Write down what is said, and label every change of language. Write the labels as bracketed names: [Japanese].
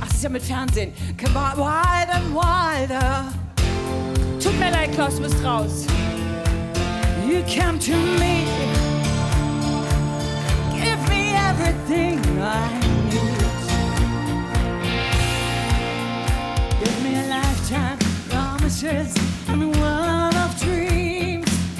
[German] Mit Fernsehen. [English] Come on, wilder and wilder. [German] Tut mir leid, Klaus, du bist raus. [English] You come to me. Give me everything I need. Give me a lifetime, promises, and a world of dreams.